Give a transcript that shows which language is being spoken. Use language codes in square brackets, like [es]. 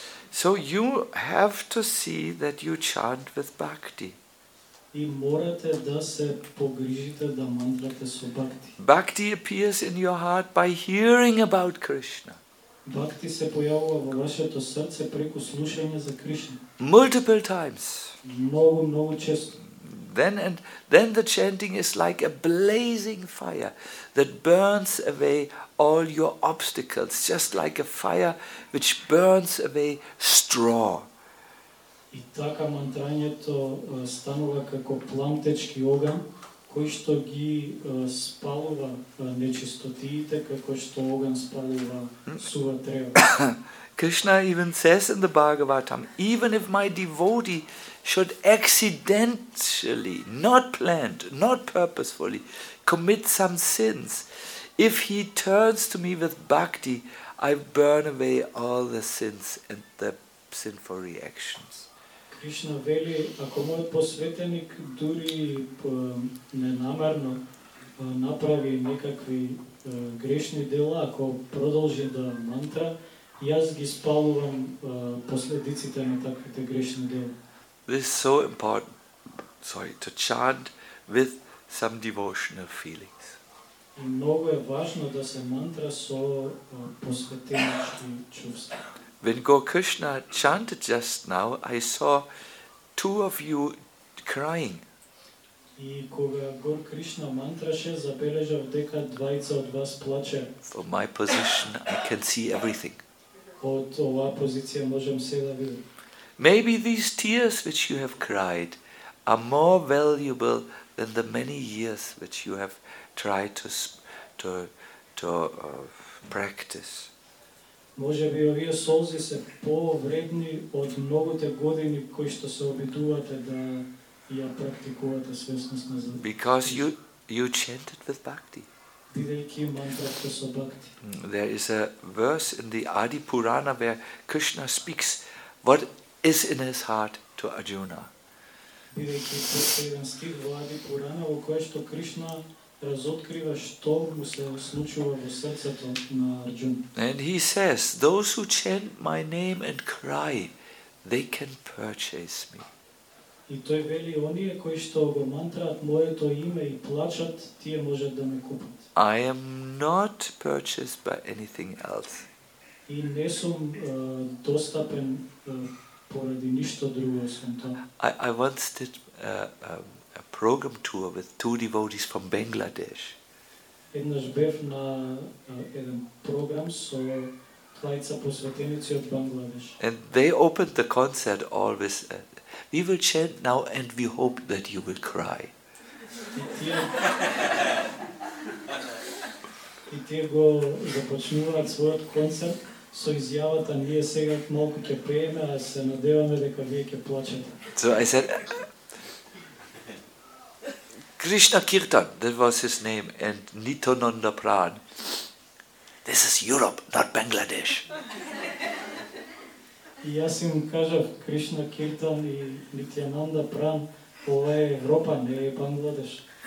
[en] So you have to see that you chant with bhakti. [mk] И морате да се погрижите да мантрате со бхакти. [en] Bhakti appears in your heart by hearing about Krishna. [mk] Бхакти се појавува во вашето срце преку слушање за Кришна. [en] Multiple times. [mk] Многу често. [en] Then the chanting is like a blazing fire that burns away all your obstacles, just like a fire which burns away straw. [mk] И така мантрањето станува како пламтечки оган кој што ги спалува нечистотиите како што оган спалува сува трева. [en] Krishna even says in the Bhagavatam, even if my devotee should accidentally, not planned, not purposefully, commit some sins, if he turns to me with bhakti, I burn away all the sins and the sinful reactions. [mk] Krishna veli, ako moj posvetenik duri nenamerno napravi nekakvi grešni dela, ako prodolži da mantra, јас ги спалувам последиците на таквите грешни дела. [en] This is so important, sorry, to chant with some devotional feelings. [mk] Многу е важно да се мантра со посветенички чувства. [en] When Gokrishna chanted just now, I saw two of you crying. [mk] И кога Гокришна мантраше, забележав дека двајца од вас плаче. [en] From my position, I can see everything. [mk] Од оваа позиција можам се да видам. [en] Maybe these tears which you have cried are more valuable than the many years which you have tried to practice. [mk] Може би овие солзи се повредни од многуте години кои што се обидувате да ја практикувате свесност на зад. [en] Because you chanted with bhakti. [mk] Бидејќи мантрата со бхакти. [en] There is a verse in the Adi Purana where Krishna speaks what is in his heart to Arjuna. [mk] Бидејќи постои еден стих во Adi Purana во кој што Кришна разоткрива што му се случува во срцето на Арджуна. [en] And he says, those who chant my name and cry, they can purchase me. [mk] И тој вели, оние кои што го мантраат моето име и плачат, тие можат да ме купат. [en] I am not purchased by anything else. [mk] И не сум достапен поради ништо друго, освен тоа. [en] I once did a program tour with two devotees from Bangladesh. [mk] Еднаш бев на еден програм со двајца посветеници од Бангладеш. [en] And they opened the concert always, we will chant now and we hope that you will cry. [mk] И тие го започнуваат својот концерт со изјавата, ние сега малку ќе пееме, а се надеваме дека вие ќе плачете. [en] So I said, Krishna Kirtan, that was his name, and Nityananda Pran. This is Europe, not Bangladesh. [mk] Јас им кажав Кришна Киртан и Нитјананда Пран, ова е Европа, не е Бангладеш.